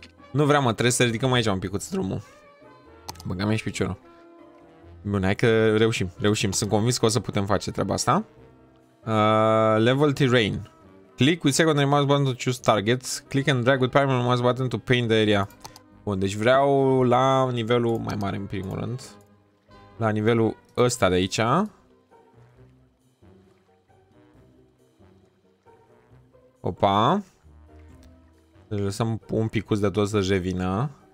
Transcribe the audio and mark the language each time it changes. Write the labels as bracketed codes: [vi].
[ro] Nu vreau, mă, trebuie să ridicăm aici un picuț drumul. Băgăm aici piciorul. Bun, hai că reușim. Sunt convins că o să putem face treaba asta. [en] Level terrain. Click with secondary mouse button to choose target. Click and drag with primary mouse button to paint the area. [ro] Bun, deci vreau la nivelul mai mare în primul rând. La nivelul ăsta de aici. Opa. Deci lăsăm un picuț de tot să-și revină.